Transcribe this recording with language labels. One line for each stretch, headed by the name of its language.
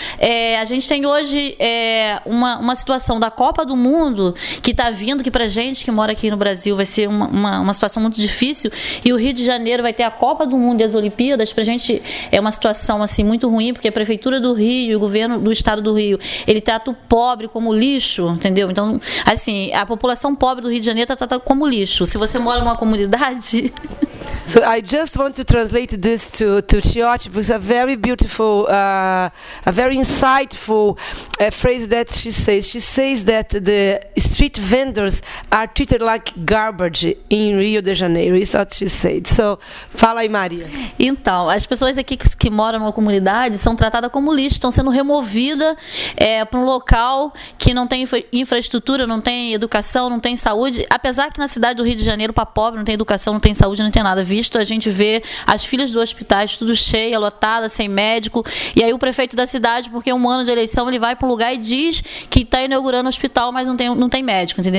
Portuguese: É, a gente tem hoje uma situação da Copa do Mundo que está vindo, que para a gente que mora aqui no Brasil vai ser uma situação muito difícil. E o Rio de Janeiro vai ter a Copa do Mundo e as Olimpíadas. Para a gente é uma situação assim, muito ruim, porque a Prefeitura do Rio e o governo do Estado do Rio, ele trata o pobre como lixo, entendeu? Então, assim, a população pobre do Rio de Janeiro está tratada como lixo. Se você mora numa comunidade...
English: So I just want to translate this to Tiote, because a very beautiful, a very insightful phrase that she says. She says that the street vendors are treated like garbage in Rio de Janeiro. Is what she said. So,
Portuguese: fala aí, Maria. Então, as pessoas aqui que moram numa comunidade são tratadas como lixo, estão sendo removidas para um local que não tem infraestrutura, não tem educação, não tem saúde. Apesar que na cidade do Rio de Janeiro, para pobre, não tem educação, não tem saúde, não tem nada. Visto, a gente vê as filhas dos hospitais tudo cheia, lotada, sem médico, e aí o prefeito da cidade, porque é um ano de eleição, ele vai para um lugar e diz que está inaugurando o hospital, mas não tem médico, entendeu?